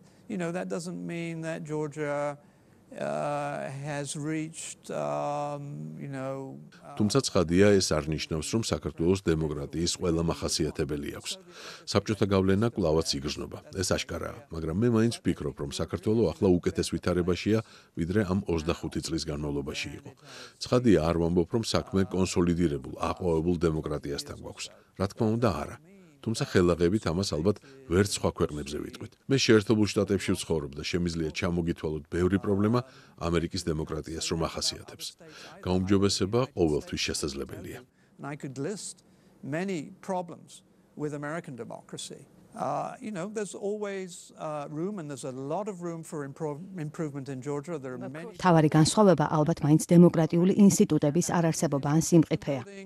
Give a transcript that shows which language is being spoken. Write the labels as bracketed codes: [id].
[en] You know, that doesn't mean that Georgia has reached you know, [ka] თუმცა ცხადია, ეს არნიშნავს, რომ საქართველოს დემოკრატიის ყველა მახასიათებელი აქვს. საბჭოთა გავლენა კლავაც იგრძნობა, ეს აშკარაა, მაგრამ მე მაინც ვფიქრობ, რომ საქართველოს ახლა უკეთეს ვითარებაშია, ვიდრე ამ 25 წლის განმავლობაში იყო. ცხადია, არ ვამბობ, რომ საქმე კონსოლიდირებულ, აყვავებულ დემოკრატიასთან გვაქვს. რა თქმა უნდა, არა. თუმცა ხელაღებით ამას ალბათ ვერც სხვა ქვეყნებზე ვიტყვით. მე შეერთებულ შტატებში ვცხოვრობ და შემიძლია ჩამოგითვალოთ ბევრი პრობლემა ამერიკის დემოკრატიას რომ ახასიათებს. გაუმჯობესება ყოველთვის შესაძლებელია. [en] I could list many problems with American democracy. You know, there's always room and there's a lot of room for improvement in Georgia. There are many [ka] თავარი განსხვავება ალბათ მაინც დემოკრატიული ინსტიტუტების არარსებობა ან სიმყიფეა.